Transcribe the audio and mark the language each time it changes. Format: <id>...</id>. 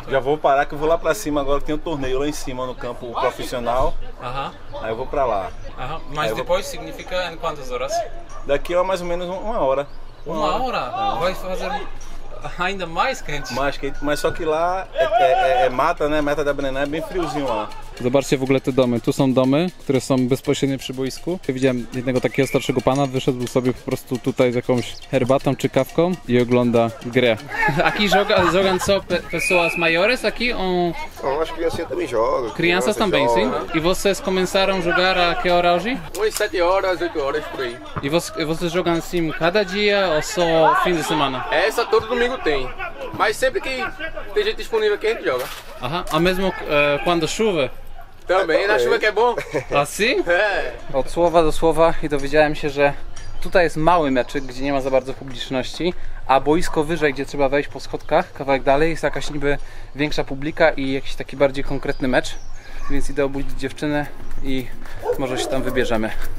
<pt>Já vou parar que eu vou lá pra cima agora, tem um torneio lá em cima no campo profissional. Aí eu vou pra lá. Mas aí depois significa em quantas horas? Daqui a mais ou menos uma hora. Uma hora? É. Vai fazer ainda mais quente? Mais quente, mas só que lá é mata, né? Mata da Brené, é bem friozinho lá.</pt> <pl>Zobaczcie w ogóle te domy. Tu są domy, które są bezpośrednio przy boisku. Widziałem jednego takiego starszego pana, wyszedł sobie po prostu tutaj z jakąś herbatą czy kawką i ogląda grę.</pl> <pt>Aqui jogam só pessoas maiores aqui? As crianças também jogam. Crianças também, joga. Sim. E vocês começaram a jogar a que hora hoje? Umas 7 horas, 8 horas por aí. E vocês jogam assim cada dia ou só fim de semana? Essa todo domingo tem. Mas sempre que tem gente disponível aqui, a gente joga. A mesmo quando chove? Também, na chuva que é bom. Assim? É.</pt> <pl>Od słowa do słowa i dowiedziałem się, że tutaj jest mały meczek, gdzie nie ma za bardzo publiczności, a boisko wyżej, gdzie trzeba wejść po schodkach, kawałek dalej, jest jakaś niby większa publika i jakiś taki bardziej konkretny mecz. Więc idę obudzić dziewczynę i może się tam wybierzemy.</pl>